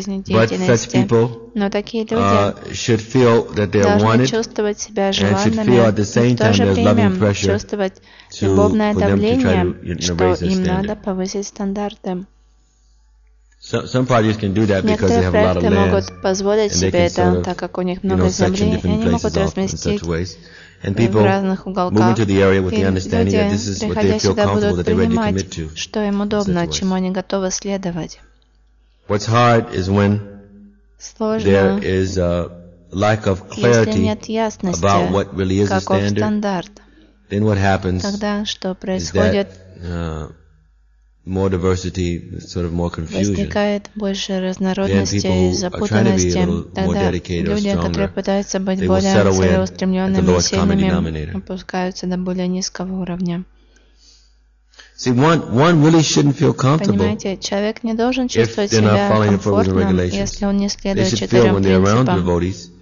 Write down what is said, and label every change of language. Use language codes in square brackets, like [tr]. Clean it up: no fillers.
[en] But such people should feel that they are wanted and should feel at the same time there is loving pressure for them to try to raise their standard. Some parties can do that because they have a lot of land, and they can sort of, you know, section different places off in such ways. And people move into the area with the understanding that this is what they feel comfortable, that they're ready to commit to. [ru] Что им удобно, чему они готовы следовать. [en] What's hard is when there is a lack of clarity about what really is a standard. Then what happens is that more diversity, sort of more confusion. [ru] Возникает больше разнородности и запутанности. Тогда люди, которые пытаются быть более целеустремленными, сильными, опускаются до более низкого уровня. [en] See, one really shouldn't feel comfortable. [ru] Понимаете, человек не должен чувствовать себя комфортно, если он не следует четырем принципам.